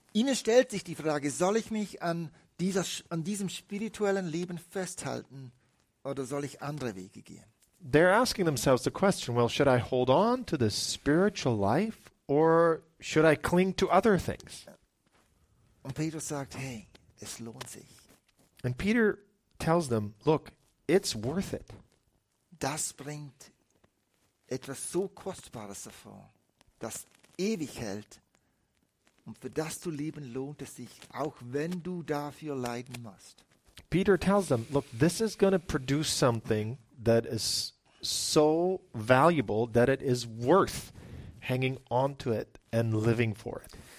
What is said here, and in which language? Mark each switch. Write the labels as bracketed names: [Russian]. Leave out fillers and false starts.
[German] Ihnen stellt sich die Frage, soll ich mich an diesem spirituellen Leben festhalten oder soll ich andere Wege gehen? [English] They're asking themselves the question, well, should I hold on to this spiritual life or should I cling to other things? [German] Und Peter sagt, hey, es lohnt sich. [English] And Peter tells them, look, it's worth it. [German] Das bringt etwas so Kostbares hervor, das ewig hält. Und für das zu leben, lohnt es sich, auch wenn du dafür leiden musst. [English] Peter tells them, look, this is going to produce something that is so valuable that it is worth hanging on to it and living for it.